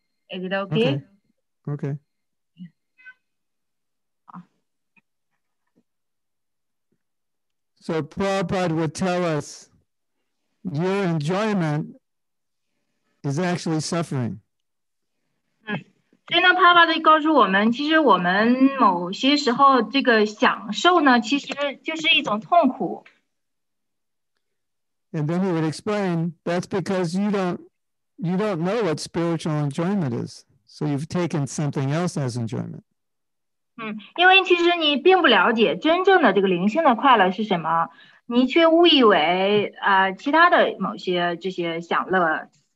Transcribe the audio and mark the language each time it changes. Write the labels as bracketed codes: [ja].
[en] Is it okay? Okay. So Prabhupada would tell us your enjoyment is actually suffering. [zh] 所以呢，帕巴的告诉我们，其实我们某些时候这个享受呢，其实就是一种痛苦。 [en] And then he would explain, that's because you don't know what spiritual enjoyment is, so you've taken something else as enjoyment. [zh] 因为其实你并不了解真正的这个灵性的快乐是什么，你却误以为其他的某些这些享乐